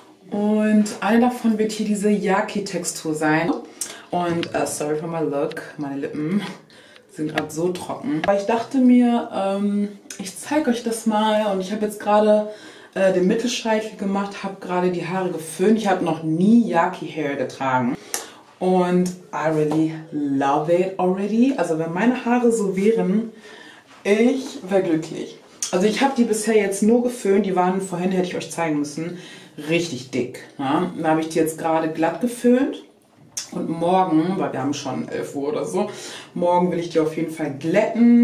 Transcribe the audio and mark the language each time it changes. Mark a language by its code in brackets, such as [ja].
[de] Und eine davon wird hier diese Yaki-Textur sein. Und [en] sorry for my look, [de] meine Lippen sind gerade so trocken. Aber ich dachte mir, ich zeige euch das mal. Und ich habe jetzt gerade den Mittelscheitel gemacht, habe gerade die Haare geföhnt. Ich habe noch nie Yaki-Hair getragen. [en] Und I really love it already. [de] Also wenn meine Haare so wären, ich wäre glücklich. Also ich habe die bisher jetzt nur geföhnt. Die waren vorhin, hätte ich euch zeigen müssen, richtig dick. Ne? Da habe ich die jetzt gerade glatt geföhnt. Und morgen, weil wir haben schon 11 Uhr oder so, morgen will ich die auf jeden Fall glätten.